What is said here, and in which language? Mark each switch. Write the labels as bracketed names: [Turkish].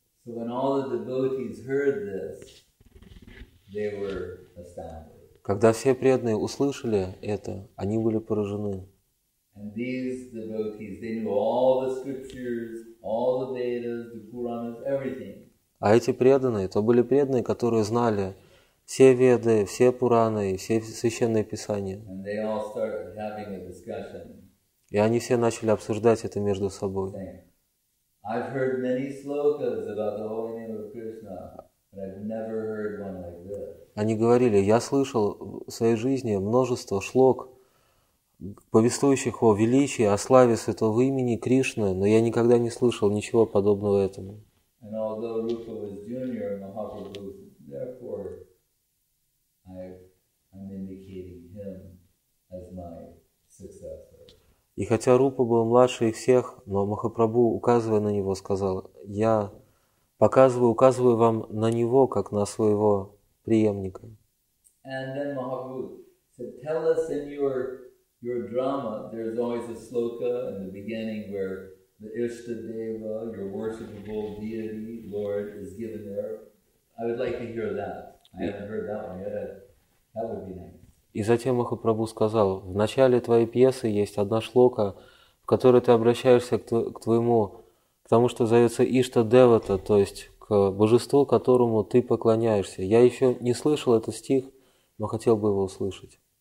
[English] So when all the devotees heard this, they were astounded. [Russian] Когда все преданные услышали это, они были поражены. [English] And these devotees, they knew all the scriptures, all the Vedas, the Puranas, everything. [Russian] А эти преданные, то были преданные, которые знали все Веды, все Пураны, все священные писания. [English] And they all started having a discussion. [Russian] И они все начали обсуждать это между собой. [English] I've heard many slokas about the holy name of Krishna, but I've never heard one like this. [Russian] Они говорили, я слышал в своей жизни множество шлок, повествующих о величии, о славе святого имени Кришны, но я никогда не слышал ничего подобного этому. [English] And although Rupa was junior, Mahaprabhu, therefore, I'm indicating him as my successor. [Russian] И хотя Рупа был младше их всех, но Махапрабху, указывая на него, сказал, «Я указываю вам на него, как на своего преемника». [English] And then Mahaprabhu said, tell us in your drama, there's always a sloka in the beginning where the Ishtadeva, your worshipable deity, Lord, is given there. I would like to hear that. I haven't heard that one yet. That would be nice. [Russian] И затем Махапрабху сказал, в начале твоей пьесы есть одна шлока, в которой ты обращаешься к тому, что зовется Ишта-девата, то есть к божеству, которому ты поклоняешься. Я еще не слышал этот стих, но хотел бы его услышать.